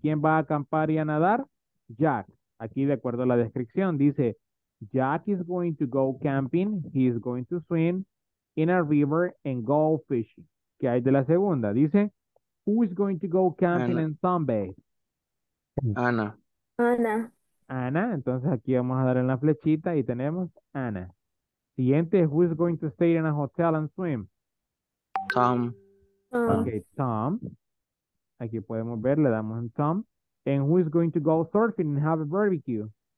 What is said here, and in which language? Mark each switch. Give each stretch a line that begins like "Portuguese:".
Spanish: ¿Quién va a acampar y a nadar? Jack. Aquí, de acuerdo a la descripción, dice,
English: Jack is going to go camping, he is going to swim in a river and go fishing.
Spanish: ¿Qué hay de la segunda?
English: Dice, who is going to go camping and sunbathe? Ana. Ana. Ana.
Spanish: Entonces aquí vamos a darle la flechita y tenemos Ana.
English: Siguiente, who is going to stay in a hotel and swim? Tom.
Spanish: Okay, Tom. Aquí podemos ver, le damos en Tom.
English: And who is going to go surfing and have a barbecue?